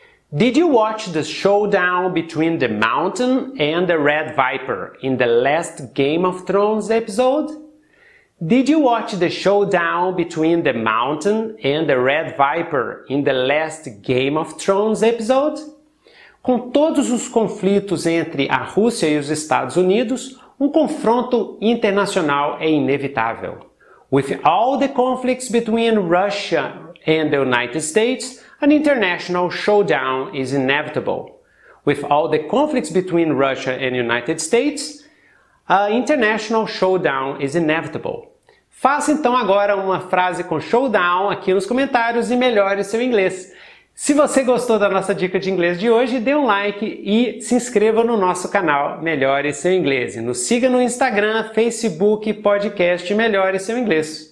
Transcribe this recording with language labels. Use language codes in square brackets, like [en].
[en] Did you watch the showdown between the Mountain and the Red Viper in the last Game of Thrones episode? Did you watch the showdown between the Mountain and the Red Viper in the last Game of Thrones episode? [pt] Com todos os conflitos entre a Rússia e os Estados Unidos, um confronto internacional é inevitável. [en] With all the conflicts between Russia and the United States, an international showdown is inevitable. With all the conflicts between Russia and the United States, an international showdown is inevitable. [pt] Faça então agora uma frase com showdown aqui nos comentários e melhore seu inglês. Se você gostou da nossa dica de inglês de hoje, dê um like e se inscreva no nosso canal Melhore Seu Inglês. E nos siga no Instagram, Facebook e podcast Melhore Seu Inglês.